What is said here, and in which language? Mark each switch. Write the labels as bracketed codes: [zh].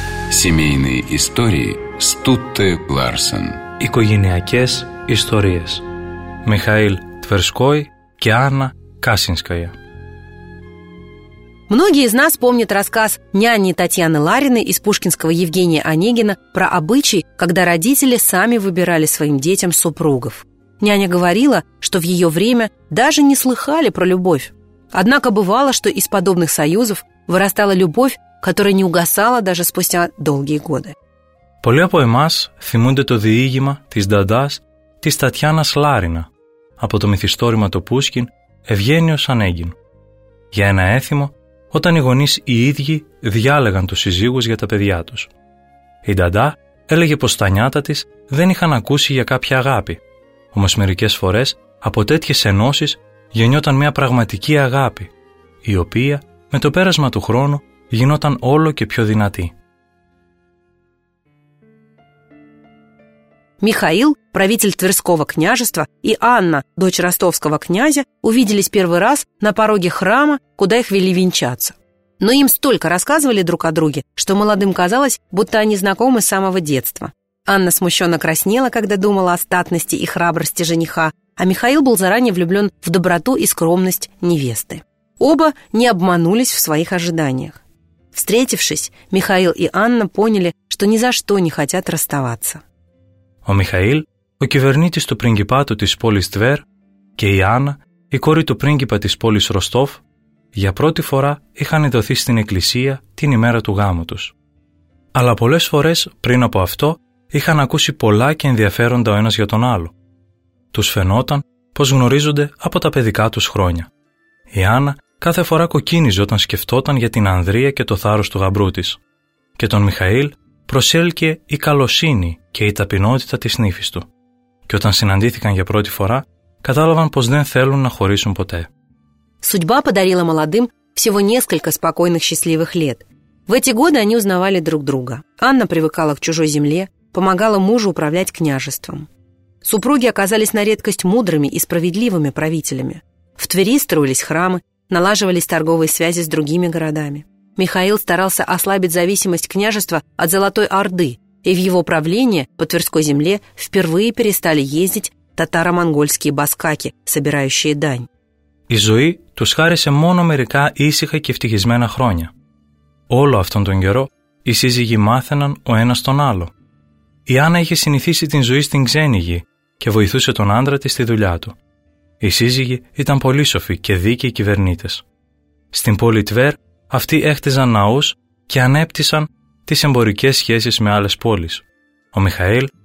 [ru] Семейные истории Стутте Ларсен. [el] Οικογενειακές ιστορίες. [ru] Михаил Тверской και Анна Касинская. Многие из нас помнят рассказ няни Татьяны Лариной из пушкинского Евгения Онегина про обычай, когда родители сами выбирали своим детям супругов. Няня говорила, что в ее время даже не слыхали про любовь. Однако бывало, что из подобных союзов вырастала любовь, которая не угасала даже спустя долгие годы. [el] Πολλοί από εμάς θυμούνται το διήγημα της Νταντάς της Τατιάνας Λάρινα από το μυθιστόρημα το Πούσκιν Ευγένιος Ανέγκιν. Για ένα έθιμο, όταν οι γονείς οι ίδιοι διάλεγαν τους συζύγους για τα παιδιά τους. Η Νταντά έλεγε πως τα νιάτα της δεν είχαν ακούσει για κάποια αγάπη. Όμως μερικές φορές από τέτοιες ενώσεις γεννιόταν μια πραγματική αγάπη, η οποία με το πέρασμα του χρόνου γινόταν όλο και πιο δυνατή. [ru] Михаил, правитель Тверского княжества, и Анна, дочь Ростовского князя, увиделись первый раз на пороге храма, куда их вели венчаться. Но им столько рассказывали друг о друге, что молодым казалось, будто они знакомы с самого детства. Анна смущенно краснела, когда думала о статности и храбрости жениха, а Михаил был заранее влюблен в доброту и скромность невесты. Оба не обманулись в своих ожиданиях. Встретившись, Михаил и Анна поняли, что ни за что не хотят расставаться. [el] Ο Михаил, ο κυβερνήτης του πριγκιπάτου της πόλης Τβέρ, και η Άννα, η κόρη του πρίγκιπα της πόλης Ροστόφ, για πρώτη φορά είχαν ενδωθεί στην εκκλησία την ημέρα του γάμου τους. Αλλά πολλές φορές πριν από αυτό είχαν ακούσει πολλά και ενδιαφέροντα ο ένας για τον άλλο. Τους φαινόταν πως γνωρίζονται από τα παιδικά τους χρόνια. Η Άννα κάθε φορά κοκκίνιζε όταν σκεφτόταν για την Ανδρεία και το θάρρος του γαμπρού της. Και τον Μιχαήλ προσέλκυε η καλοσύνη και η ταπεινότητα της νύφης του. Και όταν συναντήθηκαν για πρώτη φορά, κατάλαβαν πως δεν θέλουν να χωρίσουν ποτέ. [ru] Судьба подарила молодым всего несколько спокойных счастливых лет. В эти годы они узнавали друг друга. Анна привыкала к чужой земле, помогала мужу управлять княжеством. Супруги оказались на редкость мудрыми и справедливыми правителями. В Твери строились храмы, налаживались торговые связи с другими городами. Михаил старался ослабить зависимость княжества от Золотой Орды, и в его правление по Тверской земле впервые перестали ездить татаро-монгольские баскаки, собирающие дань. [el] Η ζωή τους χάρισε μόνο μερικά ήσυχα και ευτυχισμένα χρόνια. Όλο αυτόν τον καιρό οι σύζυγοι μάθαιναν ο ένας τον άλλο. Η Άννα είχε συνηθίσει την ζωή στην ξένη γη και βοηθούσε τον άντρα της στη δουλειά του. Οι σύζυγοι ήταν πολύ σοφοί και δίκαιοι κυβερνήτες. Στην πόλη Τβέρ αυτοί έχτιζαν ναούς και ανέπτυσαν τις εμπορικές σχέσεις με άλλες πόλεις. Ο Μιχαήλ